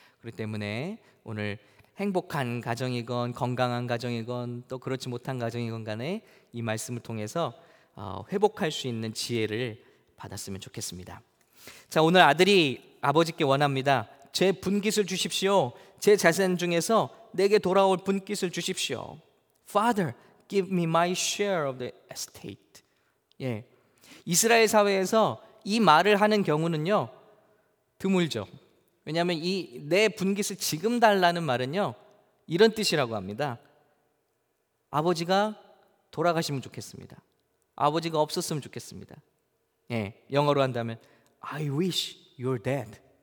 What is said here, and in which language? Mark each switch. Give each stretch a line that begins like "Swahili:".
Korean: 그렇기 때문에 오늘 행복한 가정이건 건강한 가정이건 또 그렇지 못한 가정이건 간에 이 말씀을 통해서 회복할 수 있는 지혜를 받았으면 좋겠습니다. 자, 오늘 아들이 아버지께 원합니다. 제 분깃을 주십시오. 제 재산 중에서 내게 돌아올 분깃을 주십시오.
English: Father, give me my share of the estate.
Korean: 예, 이스라엘 사회에서 이 말을 하는 경우는요 드물죠. 왜냐하면 이 내 분깃을 지금 달라는 말은요 이런 뜻이라고 합니다. 아버지가 돌아가시면 좋겠습니다. 아버지가 없었으면 좋겠습니다. 예, 영어로 한다면
English: I wish you're dead.